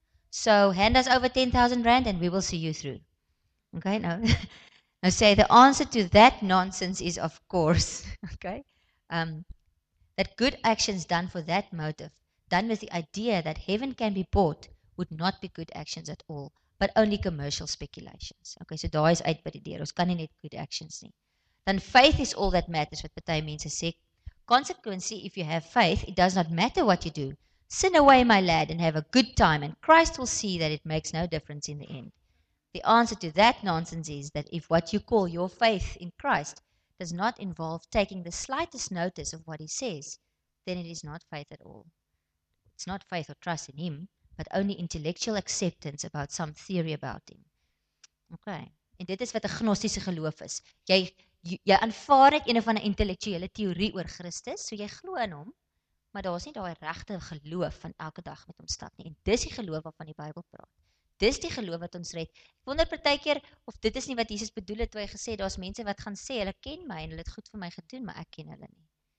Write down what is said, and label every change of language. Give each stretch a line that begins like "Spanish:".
English: So hand us over 10,000 rand and we will see you through. Okay, now. Now say the answer to that nonsense is of course, okay? That good actions done for that motive, done with the idea that heaven can be bought, would not be good actions at all, but only commercial speculations.
Afrikaans: Okay, so daai is uit by die deur. Ons kan nie net
English: good actions
Afrikaans: nie.
English: Then faith is all that matters,
Afrikaans: wat party mense sê.
English: Consequently, if you have faith, it does not matter what you do. Sin away, my lad, and have a good time, and Christ will see that it makes no difference in the end. The answer to that nonsense is that if what you call your faith in Christ does not involve taking the slightest notice of what he says, then it is not faith at all. It's not faith or trust in him, but only intellectual acceptance about some theory about him. Okay.
Afrikaans: En dit is wat 'n gnostiese geloof is. Jy aanvaar net een van 'n intellektuele teorie oor Christus, so jy glo in hom, maar daar's nie daai regte geloof van elke dag met hom stap nie. En dis die geloof waarvan die Bybel praat. Dis die geloof wat ons red. Ek wonder partykeer of dit is nie wat Jesus bedoel het toe hy gesê daar's mense wat gaan sê hulle ken my en hulle het goed vir my gedoen, maar ek ken hulle nie.